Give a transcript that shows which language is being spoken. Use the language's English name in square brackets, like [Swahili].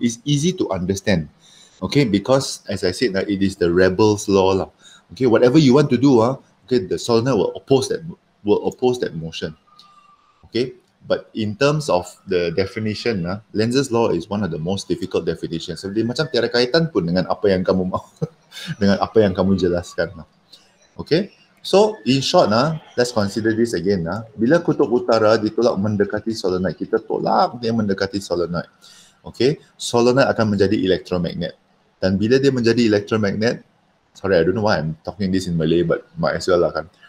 [English] It's easy to understand. Okay, because as I said, it is the rebel's law lah. Okay, whatever you want to do, okay, the solenoid will oppose that motion. Okay, but in terms of the definition, Lenz's law is one of the most difficult definitions. [Malay] So, dia macam tiada kaitan pun dengan apa yang kamu dengan apa yang kamu jelaskan. [English] Okay, so in short, let's consider this again. [Malay] Bila kutub utara ditolak mendekati solenoid, kita tolak dia mendekati solenoid. [English] Okay, [Malay] solenoid akan menjadi electromagnet. [English] Dan bila dia menjadi electromagnet, sorry, I don't know why I'm talking this in Malay, but might as well lah kan.